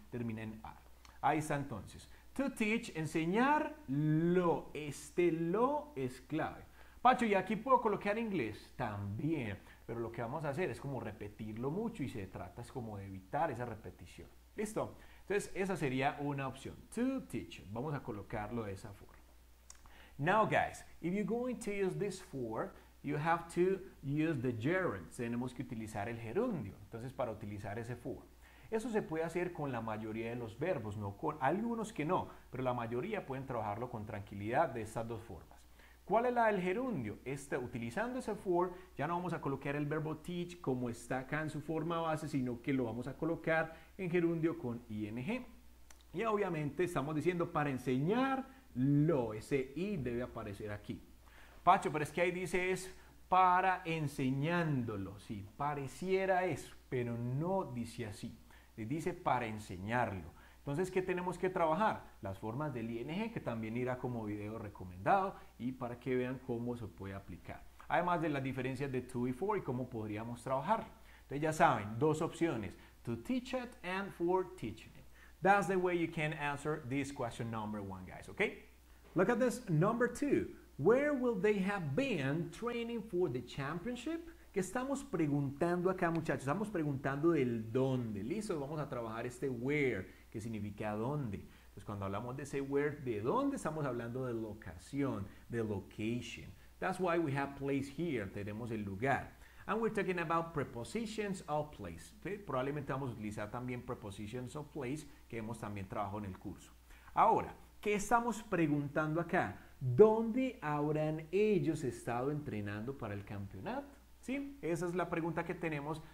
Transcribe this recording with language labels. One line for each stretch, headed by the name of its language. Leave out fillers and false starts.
Spanish: Termina en are. Ahí está entonces.
English: To teach,
Spanish: enseñarlo. Este lo es clave. Pacho, ¿y aquí puedo colocar inglés? También. Pero lo que vamos a hacer es como repetirlo mucho y se trata es como de evitar esa repetición. ¿Listo? Entonces, esa sería una opción.
English: To teach.
Spanish: Vamos a colocarlo de esa forma.
English: Now, guys, if you're going to use this for, you have to use the gerund.
Spanish: Tenemos que utilizar el gerundio. Entonces, para utilizar ese for. Eso se puede hacer con la mayoría de los verbos, no con algunos que no, pero la mayoría pueden trabajarlo con tranquilidad de estas dos formas. ¿Cuál es la del gerundio? Este, utilizando ese for, ya no vamos a colocar el verbo teach como está acá en su forma base, sino que lo vamos a colocar en gerundio con ing. Y obviamente estamos diciendo para enseñarlo, ese i debe aparecer aquí. Pacho, pero es que ahí dice es para enseñándolo. Sí, pareciera eso, pero no dice así. Dice para enseñarlo. Entonces, ¿qué tenemos que trabajar? Las formas del ING, que también irá como video recomendado y para que vean cómo se puede aplicar. Además de las diferencias de to y for y cómo podríamos trabajar. Entonces, ya saben, dos opciones.
English: To teach it and for teaching it. That's the way you can answer this question number one, guys, okay? Look at this number two. Where will they have been training for the championship?
Spanish: ¿Qué estamos preguntando acá, muchachos? Estamos preguntando del dónde. Listo, vamos a trabajar este where, que significa dónde. Entonces, cuando hablamos de ese where, ¿de dónde? Estamos hablando de locación, de location.
English: That's why we have place here.
Spanish: Tenemos el lugar.
English: And we're talking about prepositions of place.
Spanish: ¿Sí? Probablemente vamos a utilizar también
English: prepositions of place,
Spanish: que hemos también trabajado en el curso. Ahora, ¿qué estamos preguntando acá? ¿Dónde habrán ellos estado entrenando para el campeonato? ¿Sí? Esa es la pregunta que tenemos.